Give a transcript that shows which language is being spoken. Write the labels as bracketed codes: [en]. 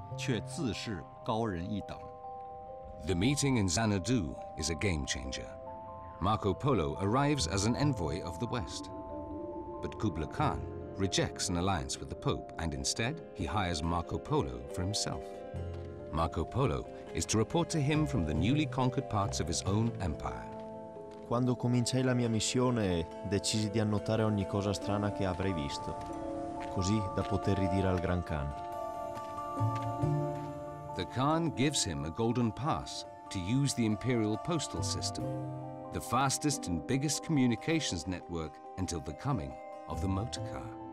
[zh] 他不需要人人归顺，也不会惩罚异教徒，这让马可很钦佩。后来的欧洲人带着马可的书而来，却自视高人一等。 [en] The meeting in Xanadu is a game changer. Marco Polo arrives as an envoy of the West, but Kublai Khan rejects an alliance with the Pope, and instead he hires Marco Polo for himself. Marco Polo is to report to him from the newly conquered parts of his own empire. [it] Quando cominciai la mia missione, decisi di annotare ogni cosa strana che avrei visto, così da poter ridire al Gran Khan. [en] The Khan gives him a golden pass to use the imperial postal system, the fastest and biggest communications network until the coming of the motor car.